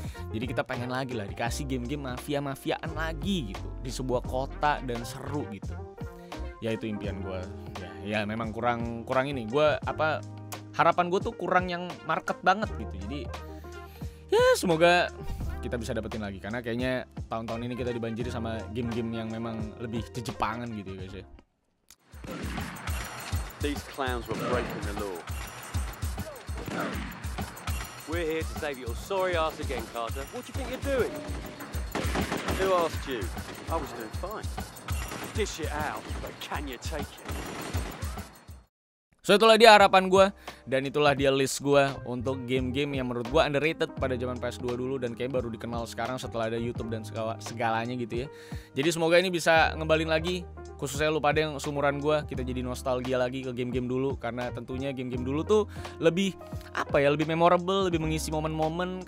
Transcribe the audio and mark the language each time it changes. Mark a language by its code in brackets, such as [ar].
[id] Jadi kita pengen lagi lah dikasih game-game mafia-mafiaan lagi gitu di sebuah kota dan seru gitu. Ya itu impian gue. Ya memang kurang ini. Gue apa, harapan gue tuh kurang yang market banget gitu. Jadi ya semoga kita bisa dapetin lagi, karena kayaknya tahun-tahun ini kita dibanjiri sama game-game yang memang lebih Jepangan gitu ya guys ya. [en] These clowns were breaking the law. We're here to save your sorry ass again, Carter. What do you think you're doing? Who asked you? I was doing fine. Dish it out, but can you take it? [id] So itulah dia harapan gue, dan itulah dia list gue untuk game-game yang menurut gue underrated pada zaman PS2 dulu dan kayak baru dikenal sekarang setelah ada YouTube dan segalanya gitu ya. Jadi semoga ini bisa ngembalin lagi, khususnya lu pada yang seumuran gue, kita jadi nostalgia lagi ke game-game dulu, karena tentunya game-game dulu tuh lebih apa ya, lebih memorable, lebih mengisi momen-momen.